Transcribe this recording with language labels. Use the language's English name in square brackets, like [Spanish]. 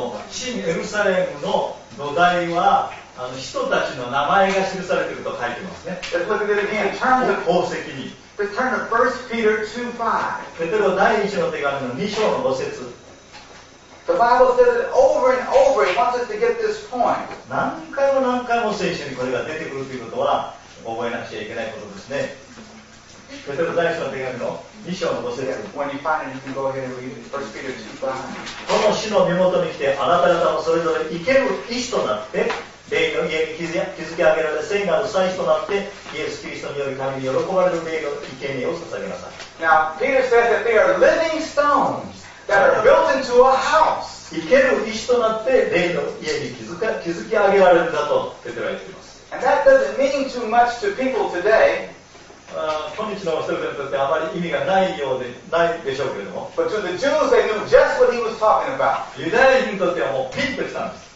[Japanese] 新エルサレムの土台は人たちの名前が記されていると書いてますね。 [English] Let's look at it again. Turn to [Japanese] 宝石に。 [English] Let's turn to 1 Peter 2, 5. [Japanese] ペテロ第一の手紙の2章の5節。 [English] The Bible says it over and over. It wants us to get this point. [Japanese] 何回も何回も聖書にこれが出てくるということは覚えなくちゃいけないことですね。ペテロ第一の手紙の2章の5節。 [English] When you find it, you can go ahead and read it. 1 Peter 2, 5. [Japanese] この死の身元に来て、あなた方もそれぞれ生ける意志となって、霊の家に築き上げられ、聖なる祭司となって、イエス・キリストにより神に喜ばれる霊の生け贄を捧げなさい。 [English] Now, Peter says that they are living stones. That are built into a house. [Japanese] 生ける石となって霊の家に築き上げられるんだとペテロは言っています。 [English] And that doesn't mean too much to people today. [Japanese] 今日の人々にとってあまり意味がないようでないでしょうけれども。 [English] But to the Jews, they knew just what he was talking about. [Japanese] ユダヤ人にとってはもうピンときたんです。